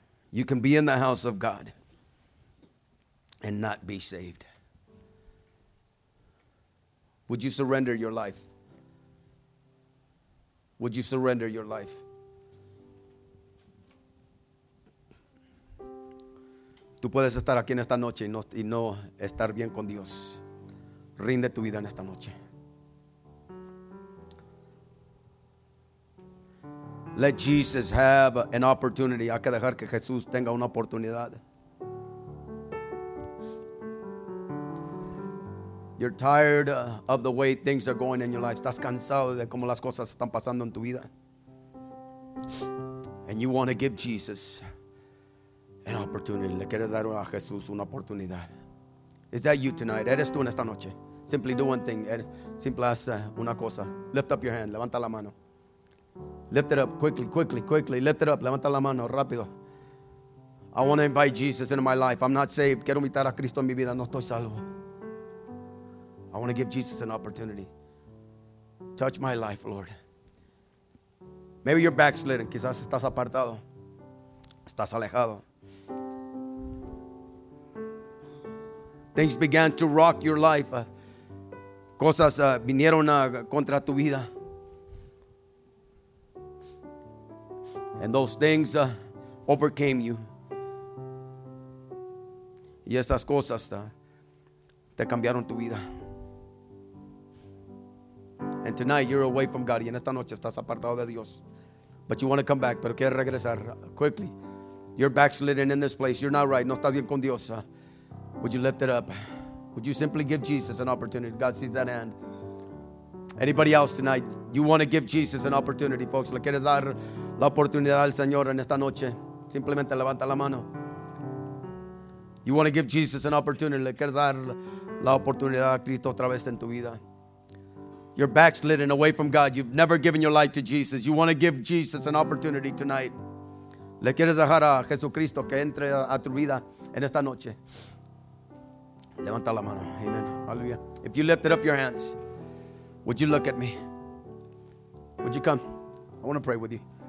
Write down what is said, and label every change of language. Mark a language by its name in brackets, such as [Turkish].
[English] You can be in the house of God and not be saved. Would you surrender your life? Would you surrender your life? [Spanish] Tú puedes estar aquí en esta noche y no estar bien con Dios. Rinde tu vida en esta noche. [English] Let Jesus have an opportunity. [Spanish] Hay que dejar que Jesús tenga una oportunidad. [English] You're tired of the way things are going in your life. [Spanish] Estás cansado de cómo las cosas están pasando en tu vida. [English] And you want to give Jesus an opportunity. [Spanish] Le quieres dar a Jesús una oportunidad. [English] Is that you tonight? [Spanish] Eres tú en esta noche. [English] Simply do one thing. Simple as [Spanish] una cosa. [English] Lift up your hand. [Spanish] Levanta la mano. [English] Lift it up quickly. Lift it up. Levanta la mano. [Spanish] Rápido. [English] I want to invite Jesus into my life. I'm not saved. [Spanish] Quiero invitar a Cristo en mi vida. No estoy salvo. [English] I want to give Jesus an opportunity. Touch my life, Lord. Maybe you're backslidden. [Spanish] Quizás estás apartado. Estás alejado. [English] Things began to rock your life. [Spanish] Cosas vinieron contra tu vida. [English] And those things overcame you. [Spanish] Y esas cosas te cambiaron tu vida. [English] And tonight you're away from God. [Spanish] Y en esta noche estás apartado de Dios. [English] But you want to come back. [Spanish] Pero quieres regresar [English] quickly. You're backslidden in this place. You're not right. [Spanish] No estás bien con Dios. [English] Would you lift it up? Would you simply give Jesus an opportunity? God sees that hand. Anybody else tonight? You want to give Jesus an opportunity, folks. [Spanish] Le quieres dar la oportunidad al Señor en esta noche. Simplemente levanta la mano. [English] You want to give Jesus an opportunity. [Spanish] Le quieres dar la oportunidad a Cristo otra vez en tu vida. [English] You're backslidden away from God. You've never given your life to Jesus. You want to give Jesus an opportunity tonight. [Spanish] Le quieres dejar a Jesucristo que entre a tu vida en esta noche. Levanta la mano. Amen. Hallelujah. [English] If you lifted up your hands, would you look at me? Would you come? I want to pray with you.